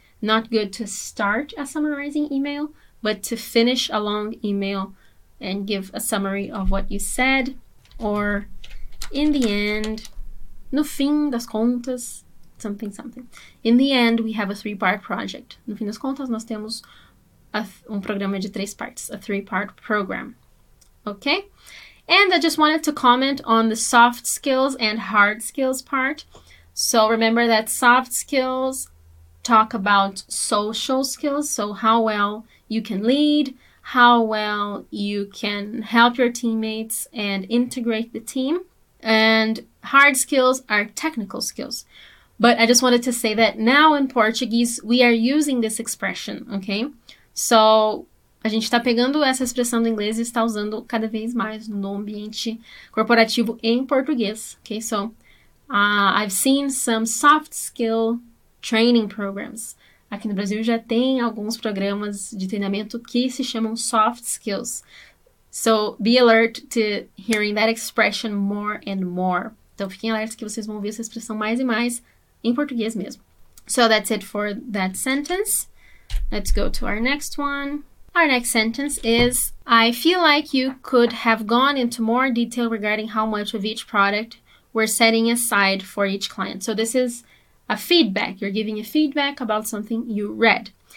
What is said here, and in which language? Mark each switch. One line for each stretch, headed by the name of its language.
English: Not good to start a summarizing email, but to finish a long email and give a summary of what you said, or in the end,
Portuguese: no fim das contas,
English: something, something. In the end, we have a three-part project.
Portuguese: No fim das contas, nós temos um programa de três partes,
English: a three-part program. Okay? And I just wanted to comment on the soft skills and hard skills part. So remember that soft skills talk about social skills, so how well you can lead, how well you can help your teammates and integrate the team. And hard skills are technical skills. But I just wanted to say that now in Portuguese, we are using this expression, okay?
Portuguese: So a gente está pegando essa expressão do inglês e está usando cada vez mais no ambiente corporativo em português, okay?
English: So I've seen some soft skill training programs.
Portuguese: Aqui no Brasil já tem alguns programas de treinamento que se chamam soft skills.
English: So, be alert to hearing that expression more and more.
Portuguese: Então, fiquem alertas que vocês vão ouvir essa expressão mais e mais em português mesmo.
English: So, that's it for that sentence. Let's go to our next one. Our next sentence is, I feel like you could have gone into more detail regarding how much of each product we're setting aside for each client. So, this is a feedback. You're giving a feedback about something you read.